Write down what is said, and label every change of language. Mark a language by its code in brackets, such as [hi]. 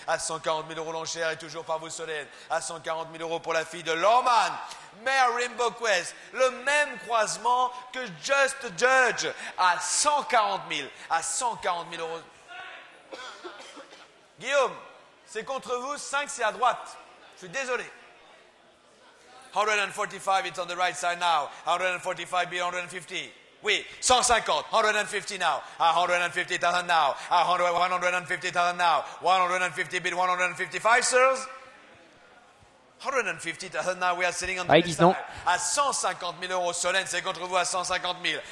[fr] À 140 000 euros l'enchère, et toujours par vous Solène. À 140 000 euros pour la fille de Lohmann, Mare Rainbow Quest, le même croisement que Just Judge. À 140 000, à 140 000 euros. Guillaume, c'est contre vous, 5 c'est à droite. Je suis désolé. [en] 145, it's on the right side now. 145, be 150. [fr] Oui, [en] 150, 150 now. 150,000 now. 150,000 now. 150, bid 155, sirs. 150,000 now, we are sitting on the right side. [fr] Non. À 150 000 euros, Solène, c'est contre vous à 150 000.